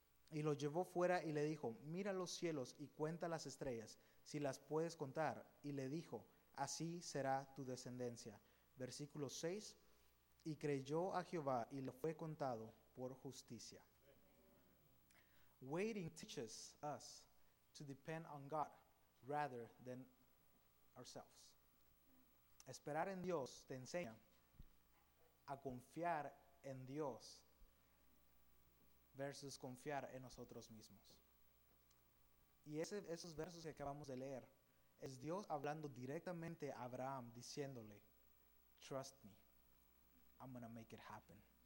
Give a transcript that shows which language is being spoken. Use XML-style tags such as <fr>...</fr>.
<es>Y lo llevó fuera y le dijo, mira los cielos y cuenta las estrellas, si las puedes contar. Y le dijo, así será tu descendencia. Versículo 6, y creyó a Jehová y le fue contado por justicia.</es> <en>Waiting teaches us to depend on God rather than ourselves.</en> <es>Esperar en Dios te enseña a confiar en Dios versus confiar en nosotros mismos. Y esos versos que acabamos de leer es Dios hablando directamente a Abraham diciéndole,</es> <en>trust me, I'm going to make it happen.</en>